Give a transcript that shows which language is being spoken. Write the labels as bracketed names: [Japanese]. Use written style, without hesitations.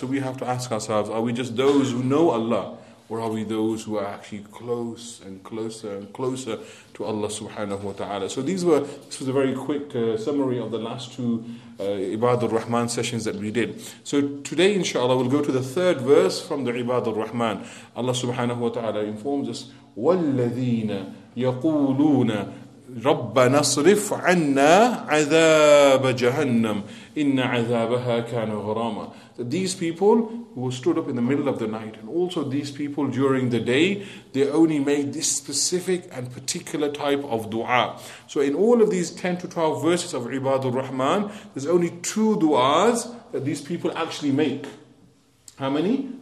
[English] So we have to ask ourselves, are we just those who know Allah? Or are we those who are actually close and closer and closer to Allah subhanahu wa ta'ala? So this was a very quick summary of the last two Ibad al-Rahman sessions that we did. So today, inshallah, we'll go to the third verse from the Ibad al-Rahman. [Arabic] Allah subhanahu wa ta'ala informs us, وَالَّذِينَ يَقُولُونَ رَبَّنَا اصْرِفْ عَنَّا عَذَابَ جَهَنَّمْ إِنَّ عَذَابَهَا كَانَ غَرَامًا. [English] These people who stood up in the middle of the night, and also these people during the day, they only made this specific and particular type of dua. So in all of these 10 to 12 verses of Ibadur Rahman, there's only two duas that these people actually make. How many?